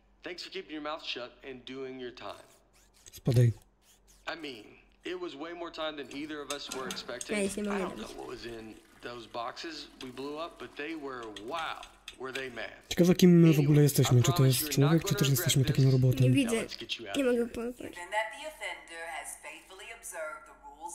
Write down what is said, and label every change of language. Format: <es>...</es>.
<en>Thanks for keeping your mouth shut and doing your time.</en> <pl>Spadaj.</pl> <en>I mean... It was way more time than either of us were expecting. I don't know what was in those boxes we blew up, but they were wow. Were they mad?</en> <pl>Ciekawe, kim my w ogóle jesteśmy. Czy to jest człowiek, czy też jesteśmy takim robotem? Nie widzę. Nie mogę powiedzieć.</pl> <en>And that the offender has faithfully observed the rules</en>